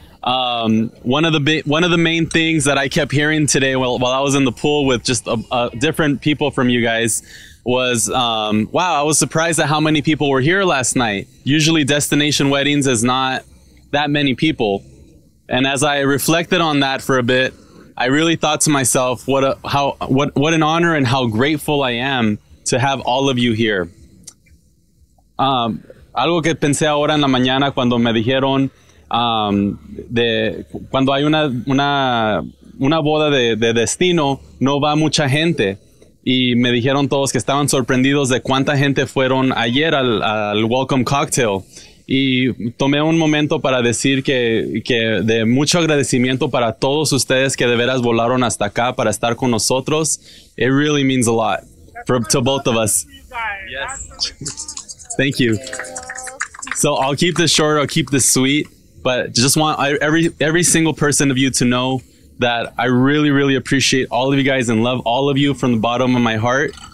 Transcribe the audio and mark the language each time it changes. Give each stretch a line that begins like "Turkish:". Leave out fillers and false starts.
English: One of the main things that I kept hearing today while I was in the pool with just different people from you guys was, wow, I was surprised at how many people were here last night. Usually destination weddings is not that many people. And as I reflected on that for a bit, I really thought to myself, what an honor and how grateful I am to have all of you here.
Spanish: Algo que pensé ahora en la mañana cuando me dijeron de cuando hay una boda de destino, no va mucha gente. Y me dijeron todos que estaban sorprendidos de cuánta gente fueron ayer al Welcome Cocktail. Y tomé un momento para decir que de mucho agradecimiento para todos ustedes que de veras volaron hasta acá para estar con nosotros.
English: It really means a lot to both of us. Yes. Thank you. So I'll keep this short, I'll keep this sweet, but just want every single person of you to know that I really, really appreciate all of you guys and love all of you from the bottom of my heart.